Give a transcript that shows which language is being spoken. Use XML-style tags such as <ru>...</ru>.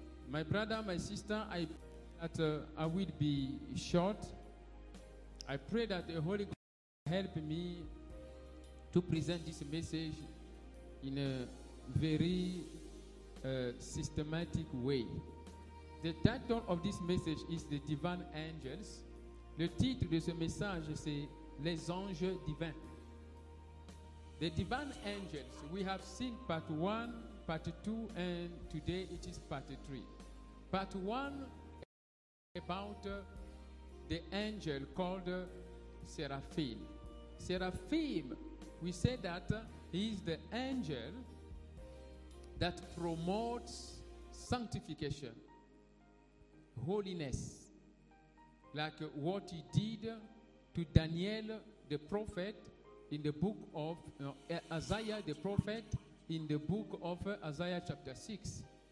<en>My brother, my sister, I pray that I will be short. I pray that the Holy Ghost help me to present this message in a very systematic way. The title of this message is The Divine Angels.</en> <fr>Le titre de ce message, c'est Les Anges Divins.</fr> <en>The Divine Angels, we have seen part 1, part 2, and today it is part 3. Part 1 is about the angel called Seraphim. Seraphim, we say that he is the angel that promotes sanctification, holiness, like what he did to Daniel the prophet in the book of Isaiah the prophet in the book of Isaiah chapter 6.</en>